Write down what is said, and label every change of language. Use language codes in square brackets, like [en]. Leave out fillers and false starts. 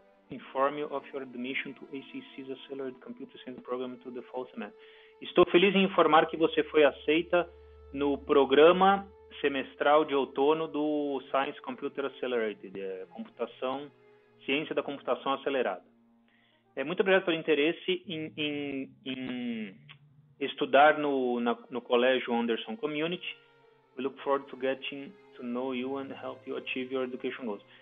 [en] Inform you of your admission to ACC's Accelerated Computer Science Program to the Fall Semester. [pt] Estou feliz em informar que você foi aceita no programa semestral de outono do Science Computer Accelerated, computação, ciência da computação acelerada. Muito obrigado pelo interesse em estudar no Colégio Anderson Community. [en] We look forward to getting to know you and help you achieve your education goals.